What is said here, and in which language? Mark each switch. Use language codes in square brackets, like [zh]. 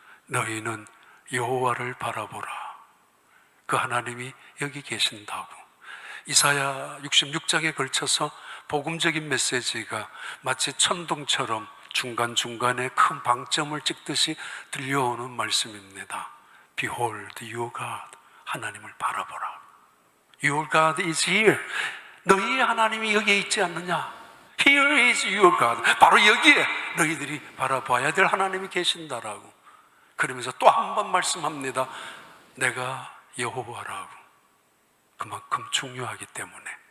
[ko] 너희는 여호와를 바라보라. 그 하나님이 여기 계신다고. 이사야 66장에 걸쳐서 복음적인 메시지가 마치 천둥처럼 중간중간에 큰 방점을 찍듯이 들려오는 말씀입니다. [en] Behold your God, [ko] 하나님을 바라보라. [en] Your God is here. [ko] 너희의 하나님이 여기에 있지 않느냐? [en] Here is your God. [ko] 바로 여기에 너희들이 바라봐야 될 하나님이 계신다라고. 그러면서 또 한 번 말씀합니다. 내가 여호와라고. 그만큼 중요하기 때문에